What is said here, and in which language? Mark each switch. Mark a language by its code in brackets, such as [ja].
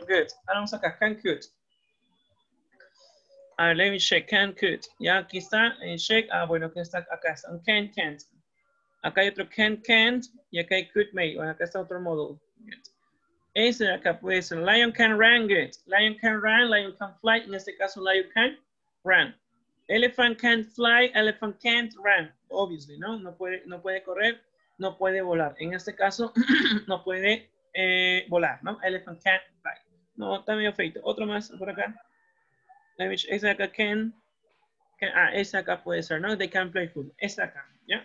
[es] Good. Ahora vamos acá, can could. A ver, let me check, can could. Ya, aquí está, check. Ah, bueno, aquí está, acá está. Can't. Acá hay otro can't, y acá hay could may. Bueno, acá está otro módulo. Ese de acá puede ser [en] lion can run, [es] good. [en] Lion can run, lion can fly. En este caso, lion can run. Elephant can't fly, elephant can't run. Obviously, ¿no? [es] No puede correr, no puede volar. En este caso, no puede volar, ¿no? [en] Elephant can't fly. [es] No, también feito. Otro más por acá. Ese de acá ese acá puede ser, ¿no? [en] They can play football. [es] Ese acá. ¿Ya?